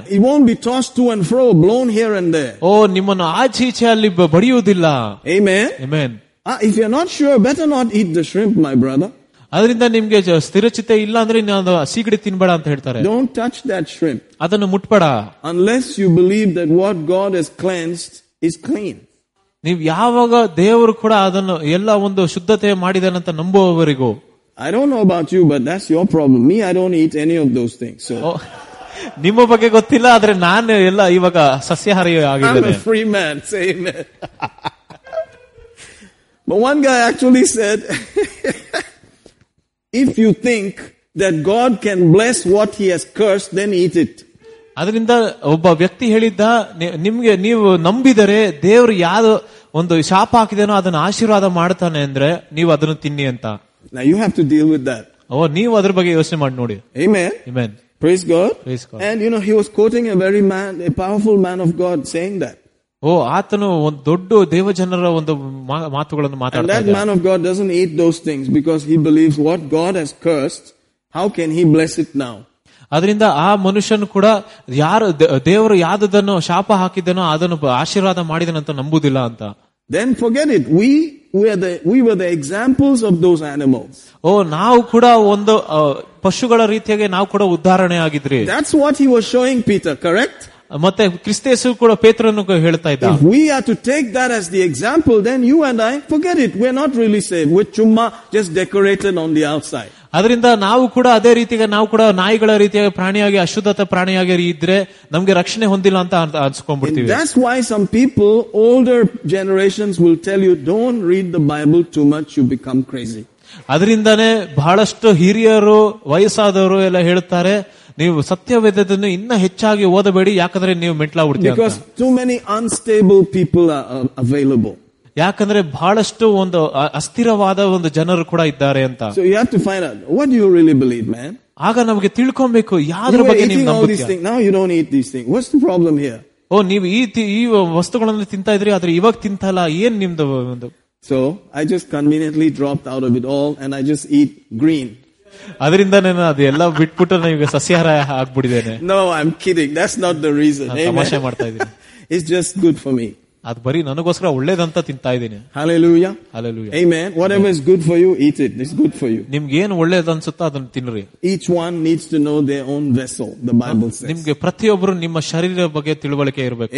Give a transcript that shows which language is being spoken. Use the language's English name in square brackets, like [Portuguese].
[English] It won't be tossed to and fro, blown here and there. [Kannada] ಓ ನಿಮ್ಮನ್ನು ಆಚೀಚೆ ಅಲ್ಲಿ ಬಡಿಯುವುದಿಲ್ಲ. [English] Amen. Amen. If you're not sure, better not eat the shrimp, my brother. [Kannada] ಅದರಿಂದ ನಿಮ್ಗೆ ಸ್ಥಿರಚಿತೆ ಇಲ್ಲ ಅಂದ್ರೆ ನೀವು ಸೀಗಡಿ ತಿನ್ಬೇಡ ಅಂತ ಹೇಳ್ತಾರೆ. [English] Don't touch that shrimp. [Kannada] ಅದನ್ನು ಮುಟ್ಬೇಡ. [English] Unless you believe that what God has cleansed is clean. [Kannada] ನೀವು ಯಾವಾಗ ದೇವರು ಕೂಡ ಅದನ್ನು ಎಲ್ಲ ಒಂದು ಶುದ್ಧತೆ ಮಾಡಿದಾನೆ ಅಂತ ನಂಬುವವರಿಗೂ. [English] I don't know about you, but that's your problem. Me, I don't eat any of those things. So. [Kannada] ನಿಮ್ಮ ಬಗ್ಗೆ ಗೊತ್ತಿಲ್ಲ, ಆದ್ರೆ ನಾನು ಎಲ್ಲ ಇವಾಗ ಸಸ್ಯಹಾರಿ ಆಗಿದ್ದೇನೆ. [English] I'm a free man, say amen. But one guy actually said, if you think that God can bless what he has cursed, then eat it. [Kannada] ಅದರಿಂದ ಒಬ್ಬ ವ್ಯಕ್ತಿ ಹೇಳಿದ್ದ, ನಿಮ್ಗೆ ನೀವು ನಂಬಿದರೆ ದೇವರು ಯಾವ ಒಂದು ಶಾಪ ಹಾಕಿದೇನೋ ಅದನ್ನ ಆಶೀರ್ವಾದ ಮಾಡ್ತಾನೆ ಅಂದ್ರೆ ನೀವು ಅದನ್ನು ತಿನ್ನಿ ಅಂತ. [English] Now you have to deal with that. [Kannada] ಓ ನೀವು ಅದ್ರ ಬಗ್ಗೆ ಯೋಚನೆ ಮಾಡಿ ನೋಡಿ. [English] Amen. Amen. Praise God. Praise God. And you know, he was quoting a very man, a powerful man of God saying that. [Kannada] ಓ ಆತನು ಒಂದು ದೊಡ್ಡ ದೇವಜನರ ಒಂದು ಮಾತುಗಳನ್ನು ಮಾತಾಡ್ತಾನೆ. [English] That man of God doesn't eat those things because he believes what God has cursed, how can he bless it now? [Kannada] ಅದರಿಂದ ಆ ಮನುಷ್ಯನು ಕೂಡ ಯಾರು ದೇವರು ಯಾವುದನ್ನು ಶಾಪ ಹಾಕಿದ್ದನೋ ಅದನ್ನು ಆಶೀರ್ವಾದ ಮಾಡಿದನಂತ ನಂಬುದಿಲ್ಲ ಅಂತ. [English] Then forget it. We were the examples of those animals. [Kannada] ಓ ನಾವು ಕೂಡ ಒಂದು ಪಶುಗಳ ರೀತಿಯಾಗಿ ನಾವು ಕೂಡ ಉದಾಹರಣೆ ಆಗಿದ್ರಿ. [English] That's what he was showing Peter, correct? [Kannada] ಮತ್ತೆ ಕ್ರಿಸ್ತೇಸು ಕೂಡ ಪೇತ್ರನು ಹೇಳ್ತಾ ಇದ್ದ. [English] If we are to take that as the example, then you and I, forget it. We are not really saved. We're chumma just decorated on the outside. [Kannada] ಅದರಿಂದ ನಾವು ಕೂಡ ಅದೇ ರೀತಿಗೆ ನಾವು ಕೂಡ ನಾಯಿಗಳ ರೀತಿಯಾಗಿ ಪ್ರಾಣಿಯಾಗಿ ಅಶುದ್ಧತೆ ಪ್ರಾಣಿಯಾಗಿ ಇದ್ರೆ ನಮ್ಗೆ ರಕ್ಷಣೆ ಹೊಂದಿಲ್ಲ ಅಂತ ಅನ್ಸ್ಕೊಂಡ್ಬಿಡ್ತೀವಿ. [English] That's why some people, older generations will tell you, don't read the Bible too much, you become crazy. [Kannada] ಅದರಿಂದನೇ ಬಹಳಷ್ಟು ಹಿರಿಯರು ವಯಸ್ಸಾದವರು ಎಲ್ಲ ಹೇಳ್ತಾರೆ, ನೀವು ಸತ್ಯವೇದದನ್ನು ಇನ್ನ ಹೆಚ್ಚಾಗಿ ಓದಬೇಡಿ, ಯಾಕಂದ್ರೆ ನೀವು ಮೆಟ್ಲಾ ಬಿಡ್ತೀವಿ. [English] Because too many unstable people are available. [Kannada] ಯಾಕಂದ್ರೆ ಬಹಳಷ್ಟು ಒಂದು ಅಸ್ಥಿರವಾದ ಒಂದು ಜನರು ಕೂಡ ಇದ್ದಾರೆ ಅಂತ. [English] So you have to find out, what do you really believe, man? [Kannada] ಆಗ ನಮಗೆ ತಿಳ್ಕೊಬೇಕು ಯಾವ್ದ್ರ ಬಗ್ಗೆ ನೀವು ನಂಬುತ್ತೀರಿ. [English] Now you don't eat these things. What's the problem here? [Kannada] ಓ ನೀವು ಈ ವಸ್ತುಗಳನ್ನು ತಿಂತಾ ಇದ್ರಿ, ಆದ್ರೆ ಇವಾಗ ತಿಂತಲ್ಲ, ಏನ್ ನಿಮ್ದು ಒಂದು. [English] So I just conveniently dropped out of it all and I just eat green. [Kannada] ಅದರಿಂದ ನಾನು ಅದೆಲ್ಲ ಬಿಟ್ಬಿಟ್ಟು ನನಗೆ ಸಸ್ಯಹಾರ ಆಗ್ಬಿಡಿದ್ದೇನೆ. [English] No, I'm kidding. That's not the reason. [Kannada] ತಮಾಷೆ ಮಾಡ್ತಾ ಇದ್ದೀನಿ. [English] It's just good for me. [Kannada] ಅದ್ ಬರೀ ನನಗೋಸ್ಕರ ಒಳ್ಳೇದಂತ ತಿಂತಾ ಇದ್ದೀನಿ. [English] Hallelujah. Hallelujah. Amen. Whatever is good for you, eat it. It's good for you. [Kannada] ನಿಮ್ಗೆ ಏನು ಒಳ್ಳೇದ ಅನ್ಸುತ್ತೋ ಅದನ್ನ ತಿನ್ನ್ರಿ. [English] Each one needs to know their own vessel, the Bible says. [Kannada] ನಿಮ್ಗೆ ಪ್ರತಿಯೊಬ್ಬರು ನಿಮ್ಮ ಶರೀರದ ಬಗ್ಗೆ ತಿಳುವಳಿಕೆ ಇರಬೇಕು.